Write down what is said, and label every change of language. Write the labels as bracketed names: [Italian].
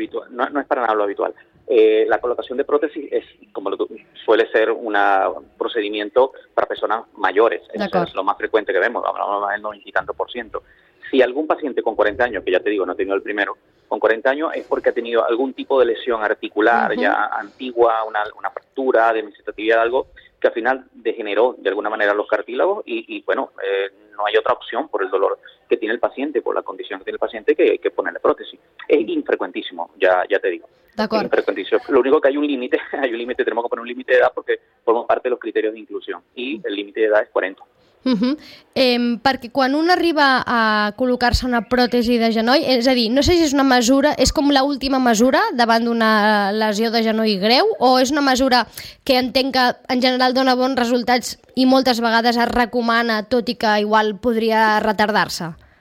[Catalan] No és per anar a lo habitual. La col·locació de pròtesis és, com [Spanish] suele ser, un procedimiento para personas mayores. Es lo más frecuente que vemos, hablamos del 90%. Si algún paciente con 40 años, que ya te digo, no ha tenido el primero, con 40 años es porque ha tenido algún tipo de lesión articular uh-huh. ya antigua, una fractura de miocitatividad, algo que al final degeneró de alguna manera los cartílagos y no hay otra opción por el dolor que tiene el paciente, por la condición que tiene el paciente, que ponerle prótesis. Es infrecuentísimo, ya te digo. [Catalan] D'acord. [Spanish] Infrecuentísimo. Lo único que hay un límite, tenemos que poner un límite de edad porque forma parte de los criterios de inclusión y el límite de edad es 40. Uh-huh. [Catalan] Perquè quan un arriba a col·locar-se una pròtesi de genoll, és a dir, no sé si és una mesura, és com l'última mesura davant d'una lesió de genoll greu, o és una mesura que entenc que en general dona bons resultats i moltes vegades es recomana, tot i que igual podria retardar-se?